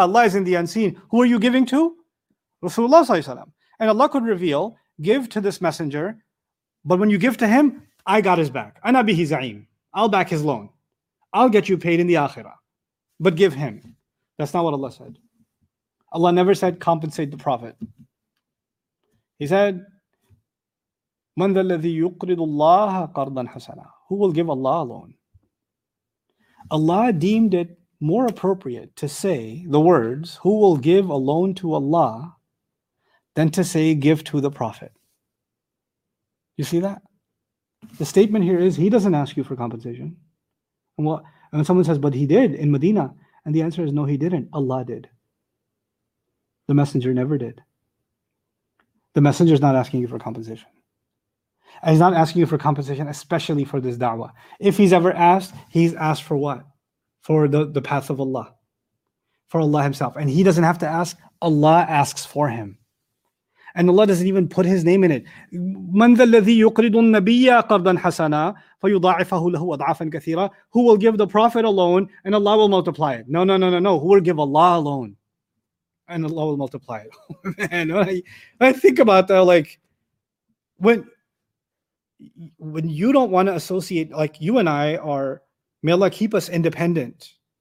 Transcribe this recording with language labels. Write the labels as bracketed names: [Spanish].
[English] Allah is in the unseen. Who are you giving to? Rasulullah ﷺ. And Allah could reveal, give to this messenger, but when you give to him, I got his back. [Arabic] Ana bihi za'im. [English] I'll back his loan. I'll get you paid in the akhirah. But give him. That's not what Allah said. Allah never said, compensate the Prophet. He said, [Arabic] من ذا الذي يقرض الله قرضا حسنا? [English] Who will give Allah a loan? Allah deemed it more appropriate to say the words, who will give a loan to Allah, than to say, give to the Prophet. You see that? The statement here is, he doesn't ask you for compensation. And what? And someone says, but he did in Medina. And the answer is, no, he didn't. Allah did. The messenger never did. The messenger is not asking you for compensation. And he's not asking you for compensation, especially for this da'wah. If he's ever asked, he's asked for what? For the path of Allah. For Allah himself. And he doesn't have to ask. Allah asks for him. And Allah doesn't even put his name in it. [Arabic] مَنْ ذَا الَّذِي يُقْرِضُ النَّبِيَّ قَرْضًا حَسَنًا فَيُضَاعِفَهُ لَهُ أَضْعَافًا كَثِيرًا. [English] Who will give the Prophet a loan and Allah will multiply it? No. Who will give Allah a loan and Allah will multiply it? Man, when I think about that, like, when you don't want to associate, like, you and I are, may Allah keep us independent.